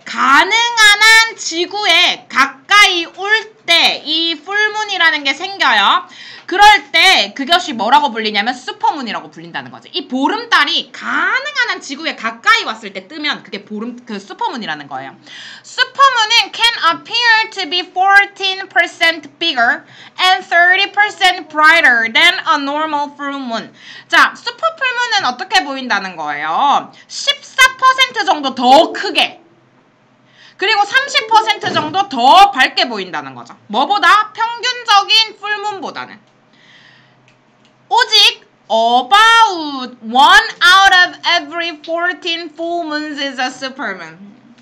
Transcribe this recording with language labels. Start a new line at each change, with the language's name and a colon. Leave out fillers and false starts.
Korean: 가능한 한 지구에 가까이 올 때 이 풀문이라는 게 생겨요. 그럴 때 그것이 뭐라고 불리냐면 슈퍼문이라고 불린다는 거죠. 이 보름달이 가능한 한 지구에 가까이 왔을 때 뜨면 그게 보름, 그 슈퍼문이라는 거예요.
English: 슈퍼문은 can appear to be 14% bigger and 30% brighter than a normal full moon.
Korean: 자, 슈퍼풀문은 어떻게 보인다는 거예요? 14% 정도 더 크게. 그리고 30% 정도 더 밝게 보인다는 거죠. 뭐보다? 평균적인 풀문보다는. 오직
English: about one out of every 14 full moons is a supermoon.